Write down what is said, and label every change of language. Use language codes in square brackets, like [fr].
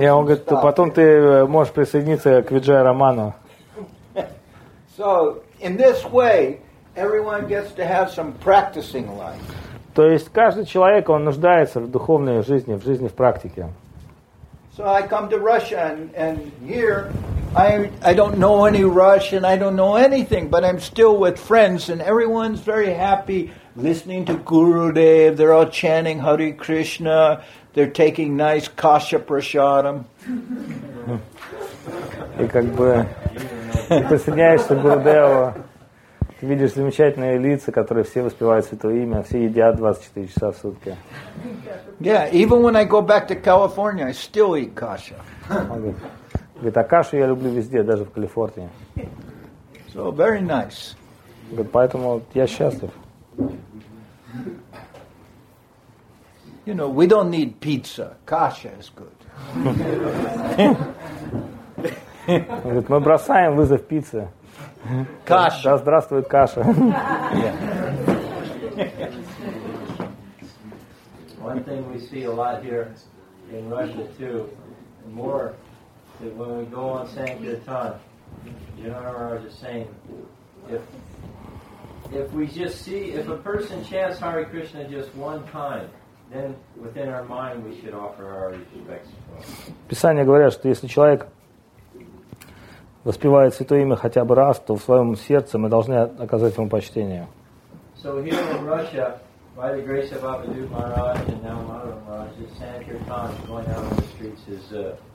[ru] Yeah, он говорит, то потом ты можешь присоединиться к Виджай Раману. [en] So in this way, everyone gets to have some practicing life. [ru] То есть каждый человек он нуждается в духовной жизни, в жизни в практике. [en] So I come to Russia and here. I don't know any Russian, I don't know anything, but I'm still with friends and everyone's very happy listening to Gurudev, they're all chanting Hare Krishna, they're taking nice kasha prasadam. [ru] И как бы присоединяешься к Гурудеву, ты видишь замечательные лица, которые все воспевают святое имя, все едят 24 часа в сутки. [en] Yeah, even when I go back to California, I still eat kasha. [ru] Говорит, а кашу я люблю везде, даже в Калифорнии. [en] So very nice. [ru] Говорит, поэтому я счастлив. [en] You know, we don't need pizza. Kasha is good. [ru] Говорит, мы бросаем вызов пицце. Каша. Да здравствует каша. Yeah. [en] One thing we see a lot here in Russia too, more. That when we go on Sankirtan, Janara is the same. If we just see, if a person chants Hare Krishna just one time, then within our mind we should offer our respects. [ru] Писания говорят, что если человек воспевает святое имя хотя бы раз, то в своем сердце мы должны оказать ему почтение. [en] So here in Russia, by the grace of Abhidhut Maharaj and now Madhav Maharaj, the Sankirtan going out on the streets is...